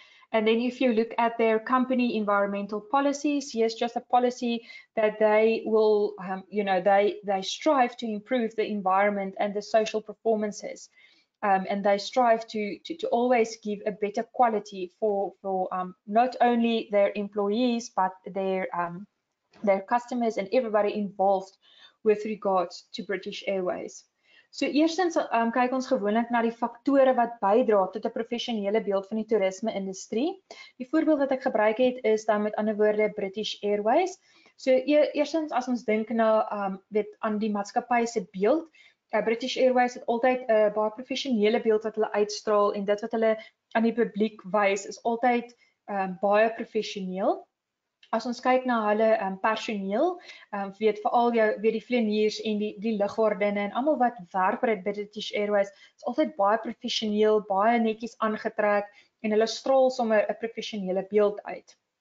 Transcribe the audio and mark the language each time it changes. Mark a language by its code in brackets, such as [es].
[en] And then if you look at their company environmental policies, yes, just a policy that they will, you know, they strive to improve the environment and the social performances. And they strive to always give a better quality for not only their employees, but their customers and everybody involved with regards to British Airways. [af] So eerstens kyk ons gewoonlik na die faktore wat bydra tot 'n professionele beeld van die toerisme industrie. Die voorbeeld wat ek gebruik het is dan met ander woorde British Airways. So eerstens as ons dink na weet aan die maatskappy se beeld, British Airways het altyd 'n baie professionele beeld wat hulle uitstraal en dit wat hulle aan die publiek wys is altyd baie professioneel. As ons kyk na hulle personeel, weet veral jou weet die vlieëniers en die lugwaardinne en almal wat werk by British Airways, is altyd baie professioneel, baie netjies aangetrek en hulle straal sommer 'n professionele beeld uit.